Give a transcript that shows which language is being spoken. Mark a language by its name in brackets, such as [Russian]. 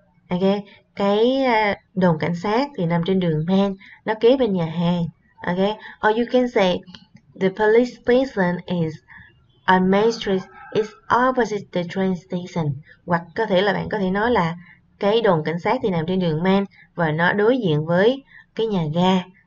[Vietnamese] Okay, cái đồn cảnh sát thì nằm trên đường Main, nó kế bên nhà hàng. [English] Okay, or you can say the police station is on Main Street. It's opposite the train station. [Vietnamese] Hoặc có thể là bạn có thể nói là cái đồn cảnh sát thì nằm trên đường Main và nó đối diện với cái nhà ga.